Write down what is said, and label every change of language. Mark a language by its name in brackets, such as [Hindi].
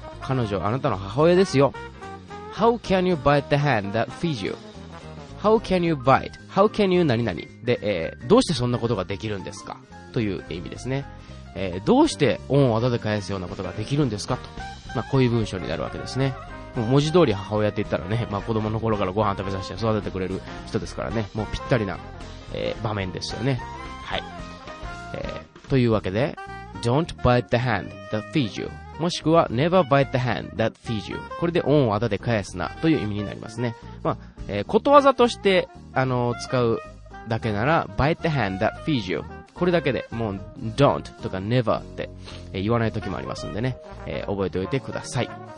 [Japanese] 彼女はあなたの母親ですよ。 [English] How can you bite the hand that feeds you? How can you bite? How can you [Japanese] 何々で、どうしてそんなことができるんですか？という意味ですね。どうして恩をあだで返すようなことができるんですかと。まあ、こういう文章になるわけですね。もう文字通り母親って言ったらね、まあ、子供の頃からご飯食べさせて育ててくれる人ですからね。もうぴったりな、場面ですよね。はい。というわけで、 [English] Don't bite the hand that feeds you. [Japanese] もしくは、 [English] Never bite the hand that feeds you. [Japanese] これで恩をあだで返すなという意味になりますね。まあ、ことわざとして、使うだけなら、 [English] Bite the hand that feeds you. [Japanese] これだけでもう don't とか never って言わない時もありますんでね、覚えておいてください。